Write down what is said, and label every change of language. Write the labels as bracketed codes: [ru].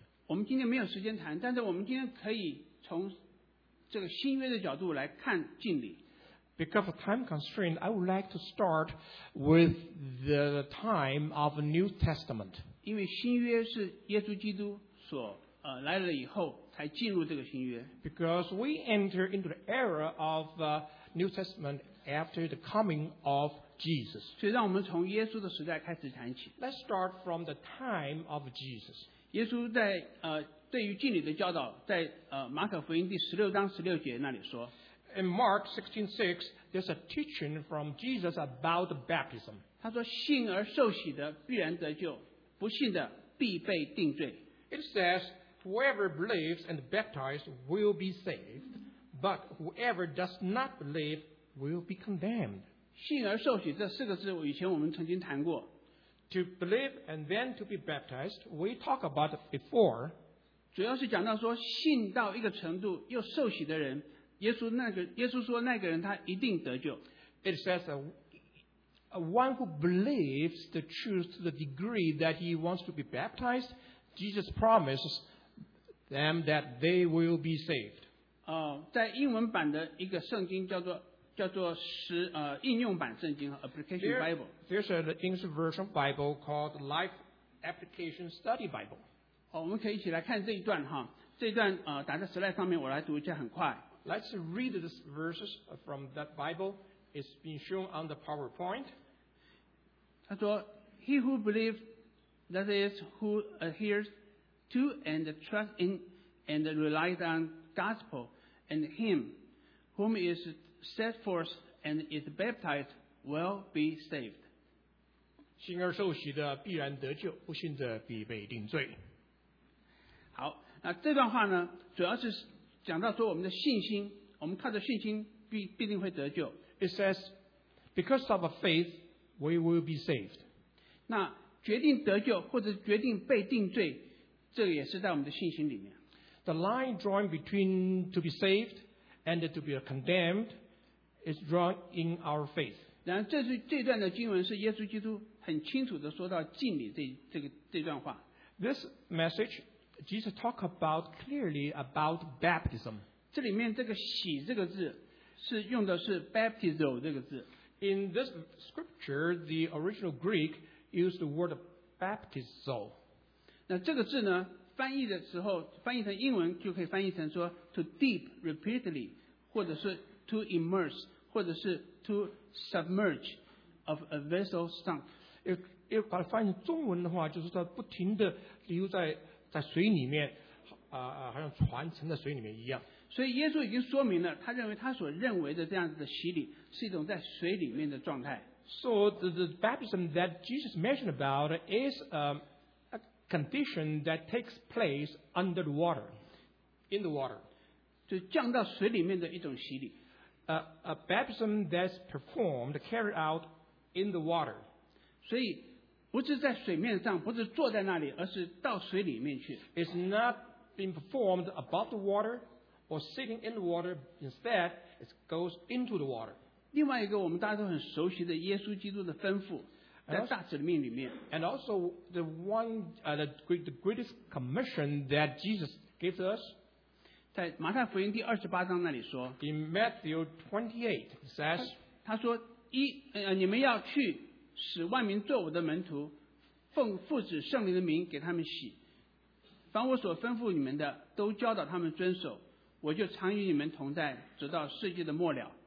[zh] 我们今天没有时间谈，但是我们今天可以从这个新约的角度来看敬礼。 [en] Because of time constraint, I would like to start with the time of the New Testament. [zh] 因为新约是耶稣基督所来了以后才进入这个新约。 [en] Because we enter into the era of the New Testament after the coming of Jesus. [zh] 所以让我们从耶稣的时代开始谈起。 [en] Let's start from the time of Jesus. [zh] 耶稣在对于敬礼的教导，在马可福音第十六章十六节那里说。 [en] In Mark 16:6, there's a teaching from Jesus about baptism. [zh] 他说，信而受洗的必然得救，不信的必被定罪。 [en] It says, whoever believes and baptized will be saved, but whoever does not believe will be condemned. [zh] 信而受洗这四个字，以前我们曾经谈过。 [en] To believe and then to be baptized, we talked about it before. [zh] 主要是讲到说，信到一个程度又受洗的人。耶稣说那个人他一定得救。 [en] It says one who believes the truth to the degree that he wants to be baptized, Jesus promises them that they will be saved. [zh] 在英文版的一个圣经叫做应用版圣经 Application Bible. [en] There's an English version of Bible called Life Application Study Bible. [zh] 我们可以一起来看这一段哈，这一段打在 slide 上面，我来读一下，很快。 [en] Let's read these verses from that Bible. It's been shown on the PowerPoint. [zh] 他说 [en] He who believes, that is, who adheres to and trusts in and relies on gospel and him whom is set forth and is baptized will be saved. [zh] 信而受洗的必然得救，不信的必被定罪。好，那这段话呢，主要是讲到说我们的信心，我们靠着信心必定会得救。 [en] It says, because of a faith, we will be saved. [zh] 那决定得救或者决定被定罪，这个也是在我们的信心里面。 [en] The line drawn between to be saved and to be condemned is drawn in our faith. [zh] 然后这段的经文是耶稣基督很清楚的说到敬礼这段话。 [en] This message. Jesus talked about clearly about baptism. [zh] 这里面这个洗这个字是用的是 baptizo 这个字。 [en] In this scripture, the original Greek used the word baptizo. [zh] 那这个字呢，翻译的时候翻译成英文就可以翻译成说 [en] to dip repeatedly, [zh] 或者是 [en] to immerse, [zh] 或者是 [en] to submerge of a vessel sunk. [zh] 要把它翻译中文的话，就是它不停的留在水里面，好像船沉在水里面一样。所以耶稣已经说明了，他认为他所认为的这样子的洗礼是一种在水里面的状态。 [en] So the baptism that Jesus mentioned about is a condition that takes place under the water, in the water, [zh] 就降到水里面的一种洗礼。 [en] A baptism that's performed, carried out in the water. [zh] 所以。不是在水面上，不是坐在那里，而是到水里面去。 [en] It's not being performed above the water or sitting in the water. Instead, it goes into the water. [zh] 另外一个我们大家都很熟悉的耶稣基督的吩咐，在大使命里面。 [en] And also the one, the greatest commission that Jesus gives us, [zh] 在马太福音第二十八章那里说。 [en] In Matthew 28, it says, [zh] 他说你们要去。使万民做我的门徒，奉父子圣灵的名给他们洗，凡我所吩咐你们的，都教导他们遵守，我就常与你们同在，直到世界的末了。